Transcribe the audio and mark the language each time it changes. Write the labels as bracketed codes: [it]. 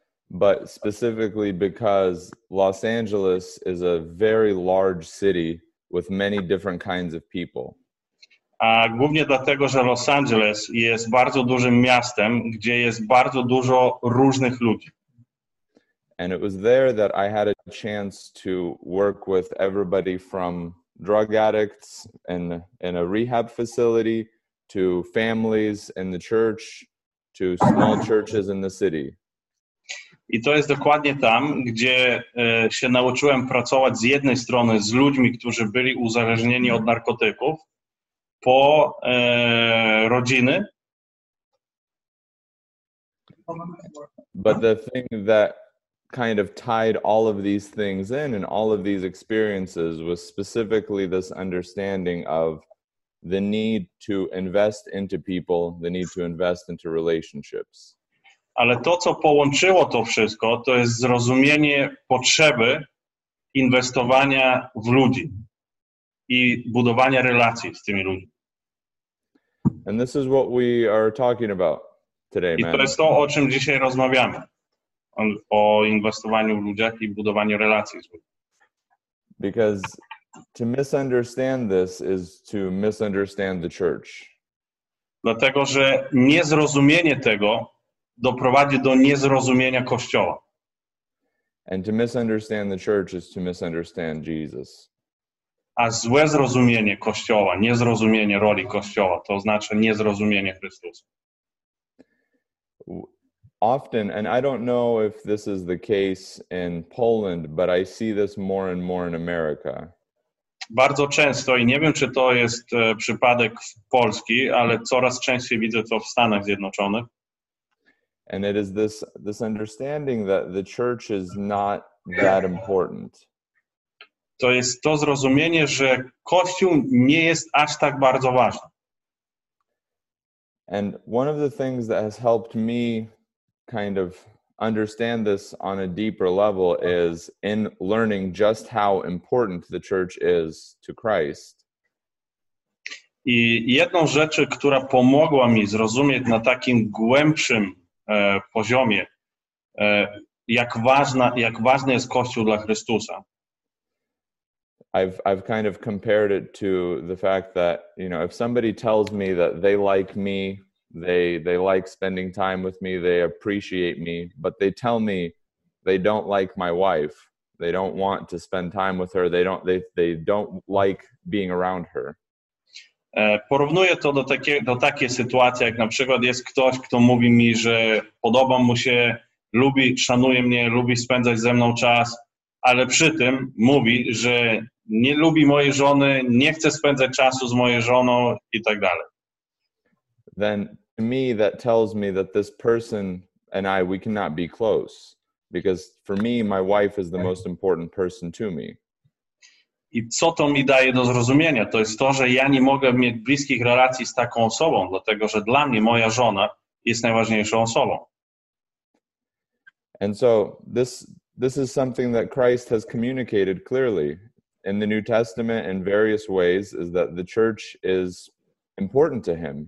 [en] But specifically because Los Angeles is a very large city with many different kinds of people. [pl] A głównie dlatego, że Los Angeles jest bardzo dużym miastem, gdzie jest bardzo dużo różnych ludzi. [en] And it was there that I had a chance to work with everybody from drug addicts in a rehab facility to families in the church, to small churches in the city. [pl] I to jest dokładnie tam, gdzie się nauczyłem pracować z jednej strony z ludźmi, którzy byli uzależnieni od narkotyków, po rodziny. [en] But the thing that kind of tied all of these things in and all of these experiences was specifically this understanding of the need to invest into people, the need to invest into relationships. [pl] Ale to, co połączyło to wszystko, to jest zrozumienie potrzeby inwestowania w ludzi i budowania relacji z tymi ludźmi. [en] And this is what we are talking about today, man. [pl] I to jest to, o czym dzisiaj rozmawiamy. o inwestowaniu w ludziach i budowaniu relacji z ludźmi. [en] Because to misunderstand this is to misunderstand the church. [pl] Dlatego, że niezrozumienie tego doprowadzi do niezrozumienia Kościoła. [en] And to misunderstand the church is to misunderstand Jesus. [pl] A złe zrozumienie Kościoła, niezrozumienie roli Kościoła, to znaczy niezrozumienie Chrystusa. [en] Often, and I don't know if this is the case in Poland, but I see this more and more in America. [pl] Bardzo często, i nie wiem, czy to jest przypadek w Polsce, ale coraz częściej widzę to w Stanach Zjednoczonych. [en] And it is this understanding that the church is not that important. [pl] To jest to zrozumienie, że Kościół nie jest aż tak bardzo ważny. [en] And one of the things that has helped me kind of understand this on a deeper level is in learning just how important the church is to Christ. [pl] I jedną rzecz, która pomogła mi zrozumieć na takim głębszym poziomie, jak ważny jest Kościół dla Chrystusa. [en] I've kind of compared it to the fact that, you know, if somebody tells me that they like me, they like spending time with me, they appreciate me, but they tell me they don't like my wife, they don't want to spend time with her, they don't like being around her. [pl] Porównuję to do takiej sytuacji, jak na przykład jest ktoś, kto mówi mi, że podoba mu się, lubi, szanuje mnie, lubi spędzać ze mną czas, ale przy tym mówi, że nie lubi mojej żony, nie chce spędzać czasu z moją żoną i tak dalej. [en] Then to me that tells me that this person and I, we cannot be close, because for me my wife is the most important person to me. [pl] I co to mi daje do zrozumienia? To jest to, że ja nie mogę mieć bliskich relacji z taką osobą, dlatego że dla mnie moja żona jest najważniejszą osobą. [en] And so this is something that Christ has communicated clearly in the New Testament in various ways, is that the church is important to him.